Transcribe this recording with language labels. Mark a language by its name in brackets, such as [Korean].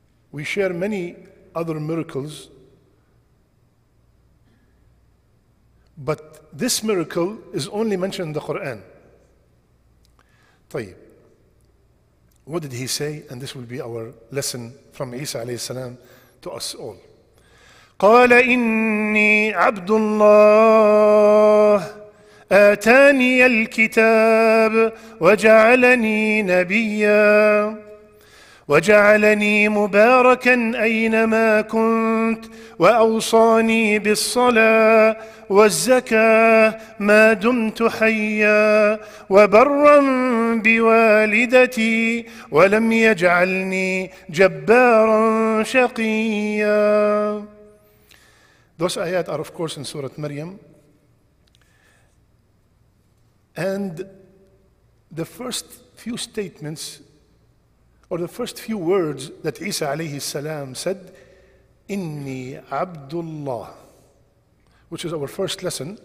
[English] We share many other miracles, but this miracle is only mentioned in the Quran. طيب, what did he say? And this will be our lesson from Isa alayhi salam to us all. [Arabic] قال إني عبد الله آتاني الكتاب وجعلني نبيا وجعلني مباركا أينما كنت وأوصاني بالصلاة والزكاة ما دمت حيا وبرا بوالدتي ولم يجعلني جبارا شقيا. [English] Those ayat are of course in Surah Maryam. And the first few statements, or the first few words that Isa alayhi salam said, [Arabic] Inni Abdullah, [English] which is our first lesson.